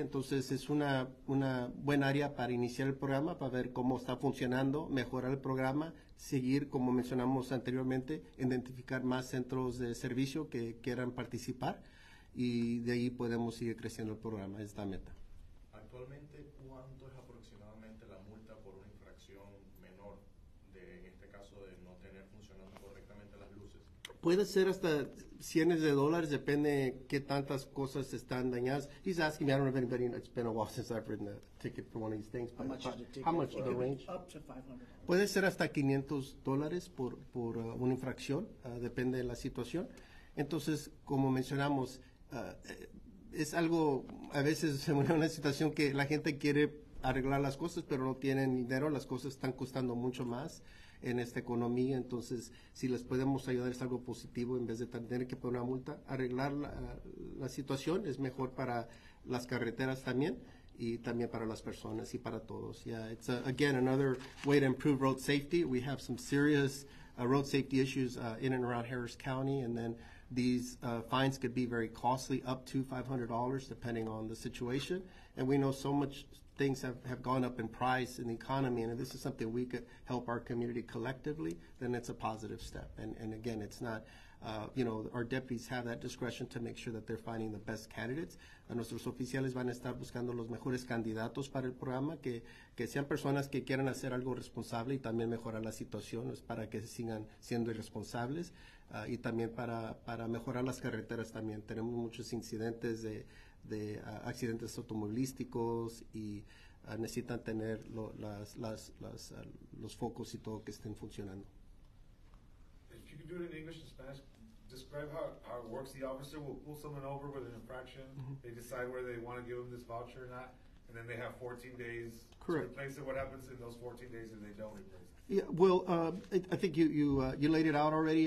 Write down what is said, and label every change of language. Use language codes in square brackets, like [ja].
[es] Entonces es una buena área para iniciar el programa, para ver cómo está funcionando, mejorar el programa, seguir, como mencionamos anteriormente, identificar más centros de servicio que quieran participar, y de ahí podemos seguir creciendo el programa. Es la meta. Actualmente, ¿cuánto es aproximadamente la multa por una infracción menor de, en este caso, de no tener funcionando Puede ser hasta cientos de dólares, depende qué tantas cosas están dañadas. [en] He's asking me, I don't know if anybody, it's been a while since I've written a ticket for one of these things. How much is the ticket? How much the range? Up to $500. [es] Puede ser hasta $500 por una infracción, depende de la situación. Entonces, como mencionamos, es algo, a veces se mueve una situación que la gente quiere arreglar las cosas, pero no tienen dinero, las cosas están costando mucho más en esta economía. Entonces, si les podemos ayudar, es algo positivo, en vez de tener que poner una multa, arreglar la situación es mejor para las carreteras también, y también para las personas y para todos. [en] Yeah, it's again another way to improve road safety. We have some serious road safety issues in and around Harris County, and then these fines could be very costly, up to $500 depending on the situation. And we know so much things have gone up in price in the economy, and if this is something we could help our community collectively, then it's a positive step. And again, it's not, you know, our deputies have that discretion to make sure that they're finding the best candidates. [es] A nuestros oficiales van a estar buscando los mejores candidatos para el programa, que sean personas que quieran hacer algo responsable y también mejorar la situación, pues, para que sigan siendo irresponsables, y también para mejorar las carreteras también. Tenemos muchos incidentes de accidentes automovilísticos, y necesitan tener los focos y todo que estén funcionando. [en] If you can do it in English and Spanish, describe how it works. The officer will pull someone over with an infraction. Mm-hmm. They decide whether they want to give them this voucher or not, and then they have 14 days correct to replace it. What happens in those 14 days if they don't replace it? Yeah, well, I think you laid it out already.